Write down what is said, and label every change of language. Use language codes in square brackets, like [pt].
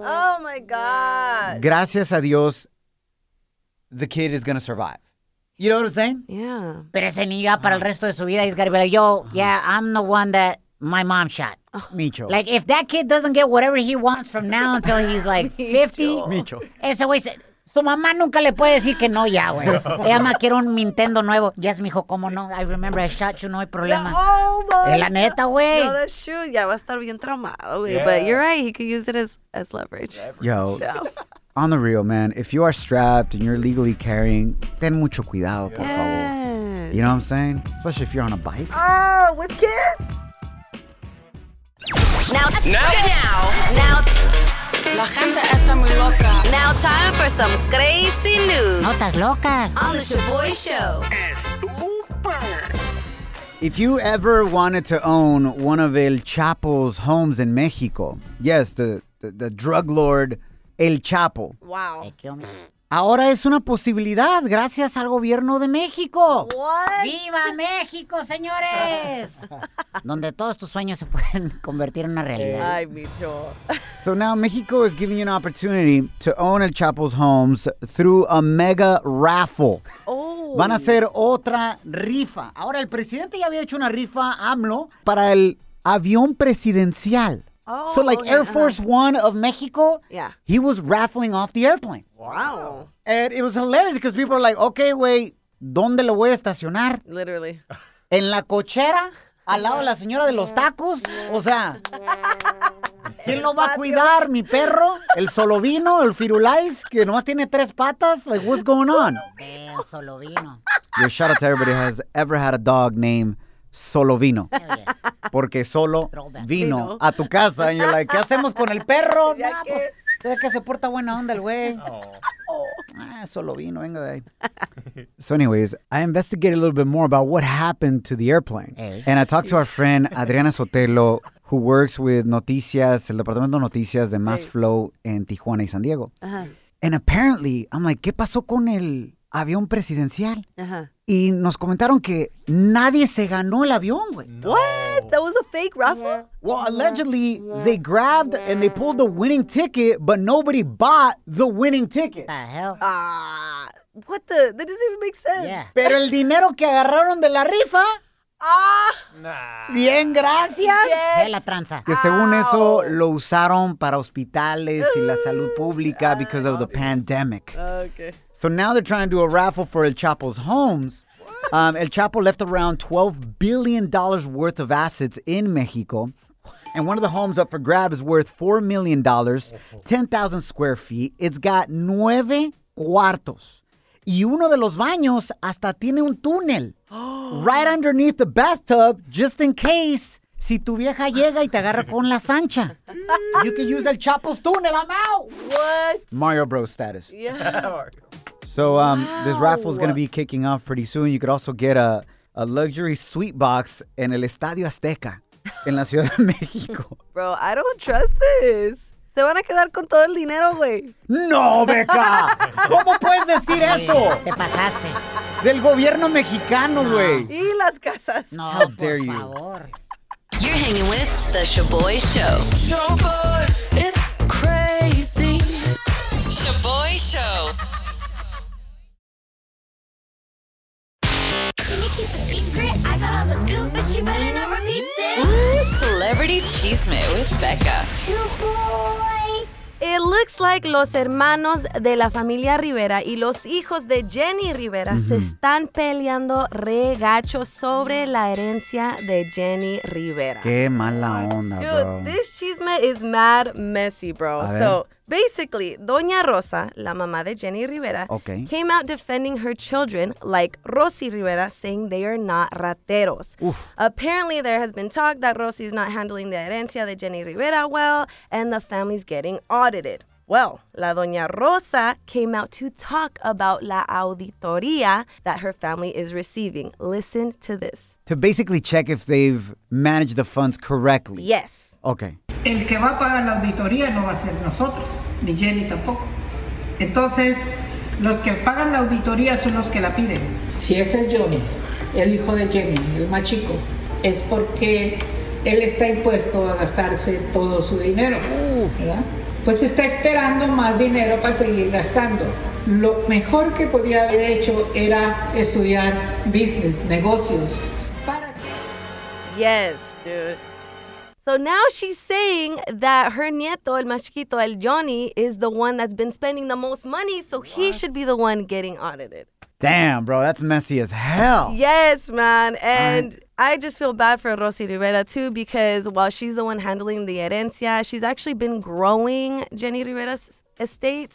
[en] Oh, my God. [es] Gracias a Dios. [en] The kid is going to survive. You know what I'm saying? Yeah. [es] Pero ese niño para el resto de su vida, [en] he's got to be like, yo, yeah, I'm the one that my mom shot. Micho. Like, if that kid doesn't get whatever he wants from now until he's like 50. Micho. [es] Ese güey said, su mamá nunca le puede decir que no ya, güey. Ella más quiere un Nintendo nuevo. Yes, mijo, ¿cómo no? I remember I shot you, no hay problema. [en] Yeah, oh, my. [es] Es la neta, güey. [en] No, that's true. [es] Ya va a estar bien traumado, güey. Yeah. [en] But you're right. He could use it as leverage. Yo. No. On the real, man, if you are strapped and you're legally carrying, [es] ten mucho cuidado, por [en] yes. [es] favor. [en] You know what I'm saying? Especially if you're on a bike. Oh, with kids? Now. [es] La gente está muy loca. [en] Now time for some crazy news. [es] Notas locas. [en] On the Shaboy Show. If you ever wanted to own one of El Chapo's homes in Mexico, yes, the drug lord... El Chapo. Wow. [es] Ahora es una posibilidad gracias al gobierno de México. [en] What? [es] ¡Viva México, señores! Donde todos tus sueños se pueden convertir en una realidad. Ay, Micho. [en] So now Mexico is giving you an opportunity to own El Chapo's homes through a mega raffle. Oh. [es] Van a hacer otra rifa. Ahora, el presidente ya había hecho una rifa, AMLO, para el avión presidencial. [en] Oh, so, like, oh, yeah, Air Force One of Mexico, yeah. He was raffling off the airplane. Wow. And it was hilarious because people were like, okay, wait, [es] ¿dónde lo voy a estacionar? [en] Literally. [es] ¿En la cochera? ¿Al lado de la señora de los tacos? O sea, ¿quién lo va a cuidar? ¿Mi perro? ¿El solovino? ¿El firulais? ¿Que nomás tiene tres patas? [en] Like, what's going on? [es] El solovino. [en] Your shout out to everybody who has ever had a dog named Solo Vino. Hell yeah. [es] Porque solo vino a tu casa. [en] And you're like, [es] ¿qué hacemos con el perro? Nah, pues, es que se porta buena onda el güey. [en] Oh. [es] Ah, solo vino, venga de ahí. [en] So anyways, I investigated a little bit more about what happened to the airplane. Hey. And I talked to our friend Adriana Sotelo, who works with Noticias, [es] el departamento de Noticias de Mass Flow en Tijuana y San Diego. [en] Uh-huh. And apparently, I'm like, [es] ¿qué pasó con el avión presidencial? [en] Ajá. Uh-huh. [es] Y nos comentaron que nadie se ganó el avión, güey. [en] No. What? That was a fake raffle? Yeah. Well, allegedly, yeah. They grabbed yeah. and they pulled the winning ticket, but nobody bought the winning ticket. What the hell? What the? That doesn't even make sense. Yeah. [es] Pero el dinero que agarraron de la rifa. [en] Nah. [es] Bien, gracias. De la tranza. Que según eso lo usaron para hospitales y la salud pública [en] because of the pandemic. Okay. So now they're trying to do a raffle for El Chapo's homes. El Chapo left around $12 billion worth of assets in Mexico. And one of the homes up for grab is worth $4 million, 10,000 square feet. It's got 9 cuartos. [es] Y uno de los baños hasta tiene un túnel [en] right underneath the bathtub just in case [es] si tu vieja llega y te agarra con la sancha. [en] You can use El Chapo's túnel. I'm out. What? Mario Bros status. Yeah. So this raffle is going to be kicking off pretty soon. You could also get a luxury suite box in El Estadio Azteca in La Ciudad de México. Bro, I don't trust this. [es] Se van a quedar con todo el dinero, güey. ¡No, beca! ¿Cómo puedes decir eso? Te pasaste. Del gobierno mexicano, güey. Y las casas. No, [en] how dare [es] por [en] you. [es] Favor. [en] You're hanging with The Shaboy Show. Shaboy, it's crazy. Shaboy Show. Can you keep a secret? I got all the scoop, but you better not repeat this. Celebrity Chisme with Becca. It looks like [es] los hermanos de la familia Rivera y los hijos de Jenny Rivera mm-hmm. se están peleando regacho sobre la herencia de Jenny Rivera. Qué mala onda, [en] dude, bro. This chisme is mad messy, bro. So, basically, Doña Rosa, [es] la mamá de Jenny Rivera, [en] okay. came out defending her children, like Rosy Rivera, saying they are not rateros. Oof. Apparently, there has been talk that Rosy's not handling the [es] herencia de Jenny Rivera [en] well, and the family's getting audited. Well, la Doña Rosa came out to talk about la auditoría that her family is receiving. Listen to this. To basically check if they've managed the funds correctly. Yes. Okay. [es] El que va a pagar la auditoría no va a ser nosotros, ni Jenny tampoco. Entonces, los que pagan la auditoría son los que la piden. Si es el Johnny, el hijo de Jenny, el más chico, es porque él está impuesto a gastarse todo su dinero, ¿verdad? Pues está esperando más dinero para seguir gastando. Lo mejor que podía haber hecho era estudiar business, negocios. Para que... [en] Yes, dude. So now she's saying that her nieto, [es] el más chiquito, [en] el Johnny, is the one that's been spending the most money, so what? He should be the one getting audited. Damn, bro, that's messy as hell. Yes, man. And I just feel bad for Rosy Rivera, too, because while she's the one handling the herencia, she's actually been growing Jenny Rivera's estate.